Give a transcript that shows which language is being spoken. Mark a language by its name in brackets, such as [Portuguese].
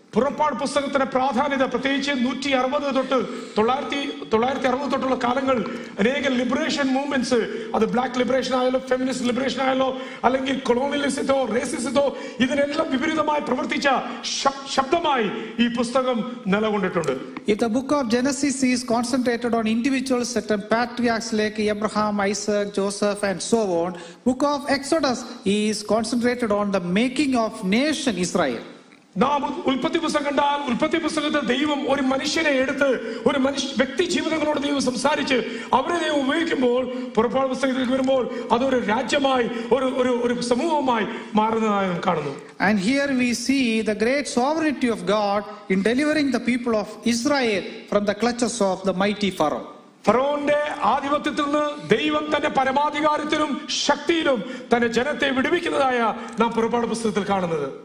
[Malayalam] പുറപ്പാട് പുസ്തകത്തിന്റെ പ്രാധാന്യത പ്രത്യേകിച്ച് 160 to 1960 ഉള്ള കാലങ്ങളിൽ അനേക ലിബറേഷൻ മൂവ്മെന്റ്സ്, അത് ബ്ലാക്ക് ലിബറേഷൻ ആയാലും ഫെമിനിസ്റ്റ് ലിബറേഷൻ ആയാലോ അല്ലെങ്കിൽ കൊളോണിയലിസത്തോ റേസിസത്തോ, ഇതിനെല്ലാം വിപരീതമായി പ്രവർത്തിച്ച ശബ്ദമായി ഈ പുസ്തകം നിലകൊണ്ടിട്ടുണ്ട്. [English] If the book of Genesis is concentrated on individuals certain patriarchs like Abraham, Isaac, Joseph and so on, Book of Exodus is concentrated on the making of nation Israel. [Malayalam] ഉൽപ്പത്തി പുസ്തകം കണ്ടാൽ ഉൽപ്പത്തി പുസ്തകത്തിൽ ദൈവം ഒരു മനുഷ്യനെ എടുത്ത് ഒരു മനുഷ്യ വ്യക്തി ജീവിതങ്ങളോട് ദൈവം സംസാരിച്ച് അവരെ ദൈവം ഉപയോഗിക്കുമ്പോൾ പുറപ്പാട് പുസ്തകത്തിലേക്ക് വരുമ്പോൾ അതൊരു രാജ്യമായി ഒരു ഒരു സമൂഹമായി മാറുന്നതായി നാം കാണുന്നു. [English] And here we see the great sovereignty of God in delivering the people of Israel from the clutches of the mighty Pharaoh. [Malayalam] ഫറോന്റെ ആധിപത്യത്തിൽ നിന്ന് ദൈവം തന്റെ പരമാധികാരത്തിലും ശക്തിയിലും തന്റെ ജനത്തെ വിടുവിക്കുന്നതായ നാം പുറപ്പാട് പുസ്തകത്തിൽ കാണുന്നത്.